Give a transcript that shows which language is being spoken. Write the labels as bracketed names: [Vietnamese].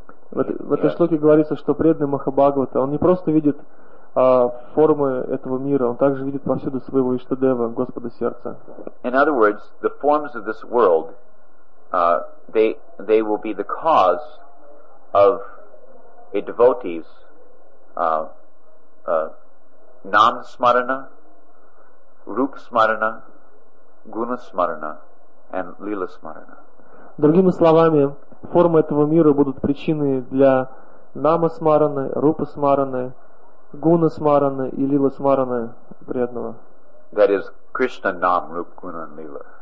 [Russian] В этой шлоке говорится, что преданный Махабхагавата, он не просто видит формы этого мира, он также видит повсюду своего Ishtadeva, Господа сердца. [English] In other words, the forms of this world, they will be the cause of a devotee's nam smarana, rup smarana, guna smarana, and lila smarana. [Russian] Другими словами, формы этого мира будут причиной для нама смараны, рупа смараны, гуна смараны и лила смараны преданного. [English] That is Krishna nam, rup, guna, and lila.